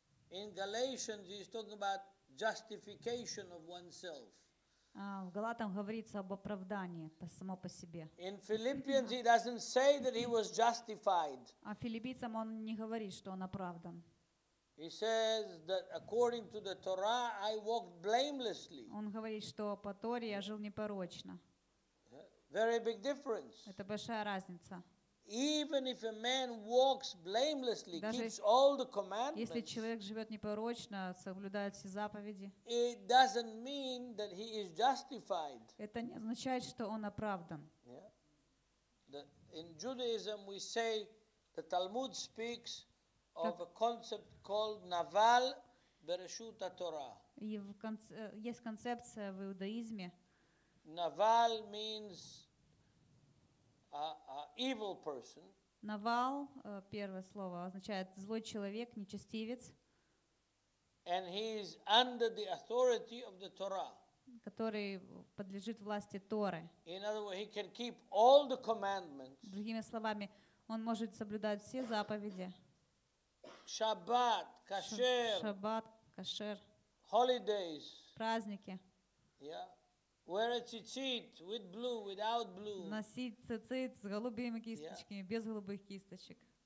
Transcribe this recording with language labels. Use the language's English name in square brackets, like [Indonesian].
[English] In Galatians he's talking about justification of oneself. [Russian] В Галатам говорится об оправдании само по себе. [English] In Philippians he doesn't say that he was justified. [Russian] А филиппийцам он не говорит, что он оправдан. [English] He says that according to the Torah I walked blamelessly. [Russian] Он говорит, что по Торе я жил непорочно. [English] Very big difference. [Russian] Это большая разница. [English] Even if a man walks blamelessly, keeps all the commandments. [Russian] Если человек живёт непорочно, соблюдает все заповеди. [English] It doesn't mean that he is justified. [Russian] Это не означает, что он оправдан. [English] In Judaism we say the Talmud speaks of a concept called Naval Bereshut HaTorah. [Russian] Есть концепция в иудаизме. [English] Naval means a evil person. [Russian] Навал, первое слово, означает злой человек, нечестивец. [English] And he is under the authority of the Torah. [Russian] Который подлежит власти Торы. [English] In other words, he can keep all the commandments. [Russian] Другими словами, он может соблюдать все заповеди. Шаббат, кашер. Шаббат, кашер. [English] Holidays. [Russian] Праздники. [English] Yeah. Wear a tzitzit with blue, without blue. [Russian] Носить тзитзит с голубыми кисточками, без голубых кисточек.